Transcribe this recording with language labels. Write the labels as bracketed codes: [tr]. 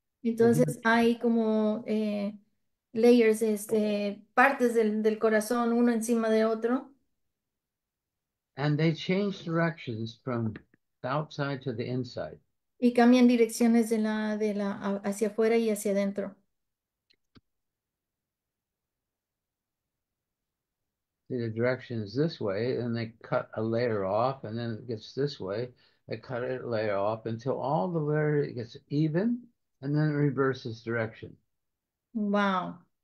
[es] Entonces hay como layers, partes del corazón, uno encima de otro. [en] And they change directions from the outside to the inside. [es] Y cambian direcciones de la hacia afuera y hacia adentro. [en] The direction is this way, and they cut a layer off, and then it gets this way. They cut it a layer off until all the layer gets even, and then it reverses direction. Wow.